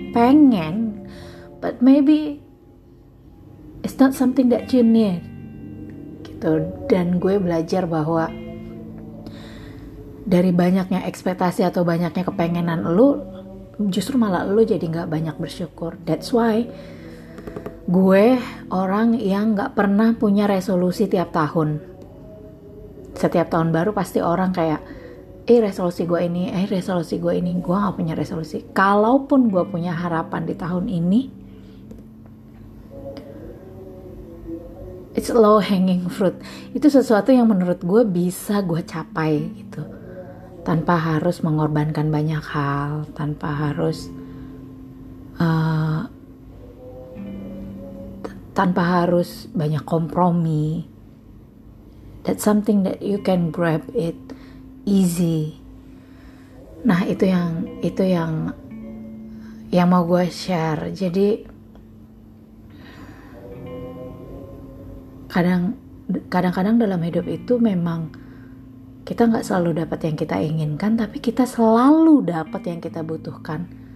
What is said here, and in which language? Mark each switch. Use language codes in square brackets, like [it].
[en] Pengen, but maybe it's not something that you need. [id] Gitu. Dan gue belajar bahwa dari banyaknya ekspektasi atau banyaknya kepengenan lu, justru malah lu jadi gak banyak bersyukur. [en] That's why [id] gue orang yang gak pernah punya resolusi tiap tahun. Setiap tahun baru pasti orang kayak, resolusi gue ini, gue gak punya resolusi. Kalaupun gue punya harapan di tahun ini, [en] it's low hanging fruit. [id] Itu sesuatu yang menurut gue bisa gue capai gitu. Tanpa harus mengorbankan banyak hal, tanpa harus tanpa harus banyak kompromi. [en] That's something that you can grab it easy. [id] Nah, itu yang mau gue share. Jadi kadang-kadang dalam hidup itu memang kita gak selalu dapat yang kita inginkan, tapi kita selalu dapat yang kita butuhkan.